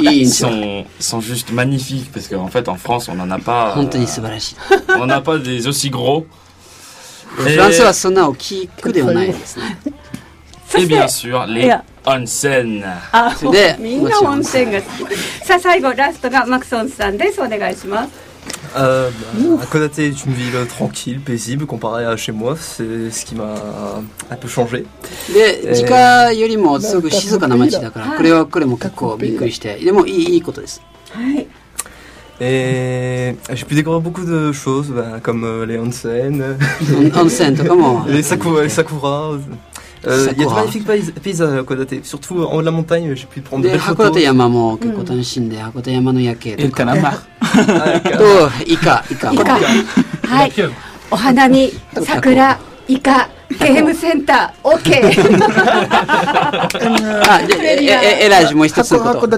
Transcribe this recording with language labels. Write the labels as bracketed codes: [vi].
[fr] Sont juste magnifiques parce qu'en fait en France on n'en a pas. [ja] 本当に素晴らしい。 [fr] On n'a pas des aussi gros. [ja] フランスはそんな大きくではないですね。 [fr] Et bien sûr, les onsen. Ah, tout le monde est onsen. Et la dernière, c'est Max Onsen. S'il vous plaît. Hakodate est une ville tranquille, paisible, comparée à chez moi. C'est ce qui m'a un peu changé. Et la ville est plus calme, donc c'est une bonne chose. Mais c'est une bonne chose. Et c'est une bonne chose. Et j'ai pu découvrir beaucoup de choses, ben, comme les onsen. Onsen, comment? Les sakura. Il y a de magnifiques paysages à Hakodate, surtout en haut de la montagne, j'ai pu prendre des photos. [ja] Hakodate Yama も結構楽しんで、Hakodate Yama の夜景とか。カナマ。とイカ、イカ。イカ。はい。お花見、桜、イカ、ゲームセンター、OK。エラージもう一つのこと。